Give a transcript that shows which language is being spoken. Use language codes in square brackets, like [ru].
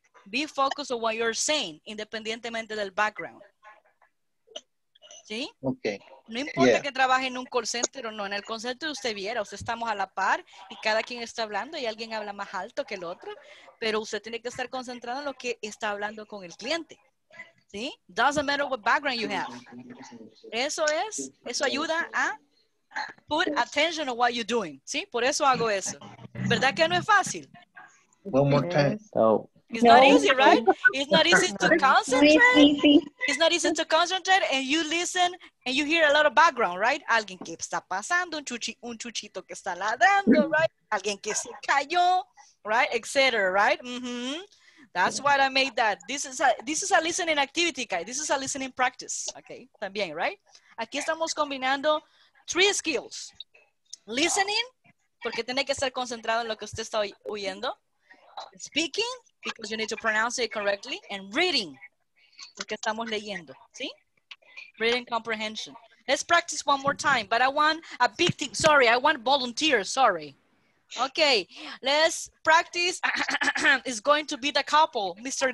[en] Be focused on what you're saying, [es] independientemente del background. ¿Sí? [en] Okay. [es] No importa que trabaje en un call center o no, en el call center usted viera, usted estamos a la par y cada quien está hablando y alguien habla más alto que el otro, pero usted tiene que estar concentrado en lo que está hablando con el cliente. [en] ¿Sí? Doesn't matter what background you have. [es] Eso ayuda a [en] put attention on what you're doing. ¿Sí? [es] Por eso hago eso. ¿Verdad que no es fácil? [en] One more time. It's not easy, right? It's not easy to concentrate. It's not easy to concentrate and you listen and you hear a lot of background, right? [es] Alguien que está pasando, un chuchito que está ladrando, right? Alguien que se cayó, right? Etc., right? Mm-hmm. [en] That's why I made that. This is a listening activity, guys. This is a listening practice, okay? También, right? [es] Aquí estamos combinando [en] three skills. [es] Listening, porque tiene que estar concentrado en lo que usted está oyendo. [en] Speaking, because you need to pronounce it correctly. And reading, [es] porque estamos leyendo, ¿sí? [en] Reading comprehension. Let's practice one more time, but I want a big team. Sorry, I want volunteers, sorry. Okay, let's practice. It's going to be the couple, Mr.